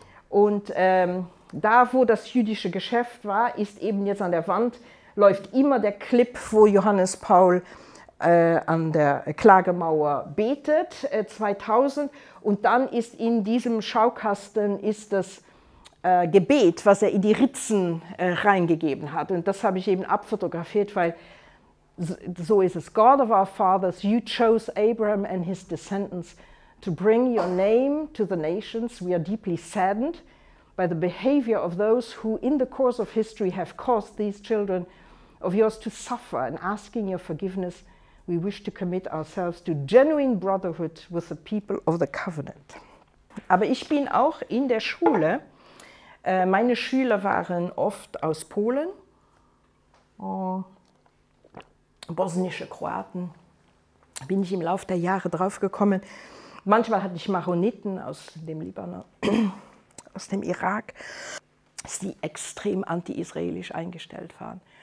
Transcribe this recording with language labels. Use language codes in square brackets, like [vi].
[de] Und da, wo das jüdische Geschäft war, ist eben jetzt an der Wand, läuft immer der Clip, wo Johannes Paul an der Klagemauer betet, 2000. Und dann ist in diesem Schaukasten ist das Gebet, was er in die Ritzen reingegeben hat. Und das habe ich eben abfotografiert, weil so ist es. [en] God of our fathers, you chose Abraham and his descendants to bring your name to the nations. We are deeply saddened by the behavior of those who in the course of history have caused these children of yours to suffer, and asking your forgiveness, we wish to commit ourselves to genuine brotherhood with the people of the covenant. [de] Aber ich bin auch in der Schule. Meine Schüler waren oft aus Polen, bosnische Kroaten, bin ich im Laufe der Jahre draufgekommen. Manchmal hatte ich Maroniten aus dem Libanon, aus dem Irak, die extrem anti-israelisch eingestellt waren.